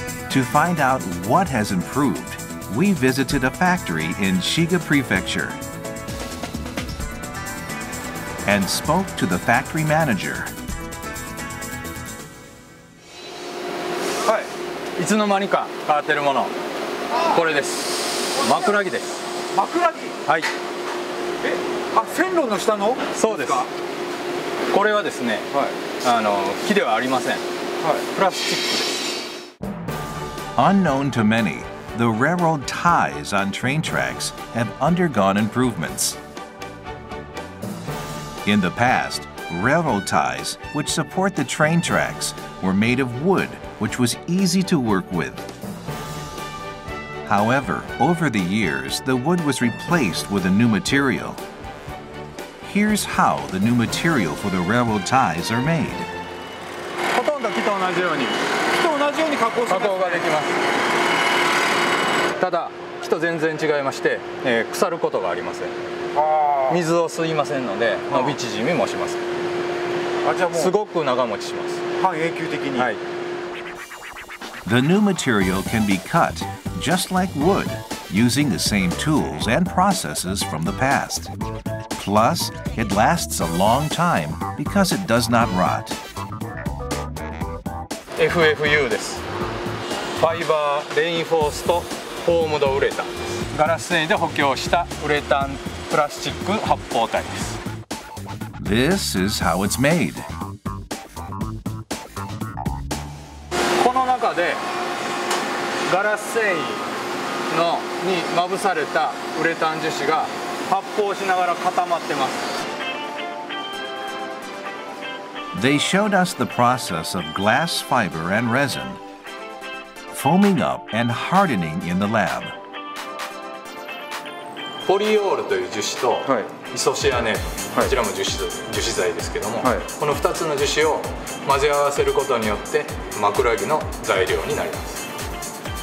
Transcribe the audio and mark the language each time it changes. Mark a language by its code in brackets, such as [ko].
[en] To find out what has improved, we visited a factory in Shiga Prefecture and spoke to the factory manager. [ja] はい、いつの間にか変わってるもの、これです。枕木です。枕木？はい。え、あ、線路の下の？そうです。これはですね、はい、木ではありません。はい、プラスチックです。 [en] Unknown to many, the railroad ties on train tracks have undergone improvements. In the past, railroad ties, which support the train tracks, were made of wood, which was easy to work with. However, over the years, the wood was replaced with a new material. Here's how the new material for the railroad ties are made. [ja] 同じように加工ができます。ただ木と全然違いまして、腐ることがありません。あ、水を吸いませんので伸び縮みもしません。あ、じゃあもうすごく長持ちします。半永久的に、はい、 [en] The new material can be cut just like wood using the same tools and processes from the past. Plus, it lasts a long time because it does not rot [ja] FFU です。ファイバーレインフォーストフォームドウレタン。ガラス繊維で補強したウレタンプラスチック発泡体です。 [en] This is how it's made. [ja] この中でガラス繊維のにまぶされたウレタン樹脂が発泡しながら固まってます。 [en] They showed us the process of glass fiber and resin foaming up and hardening in the lab. [ja] ポリオールという樹脂とイソシアネート、はい、こちらも樹脂材ですけども、はい、この2つの樹脂を混ぜ合わせることによって枕木の材料になります。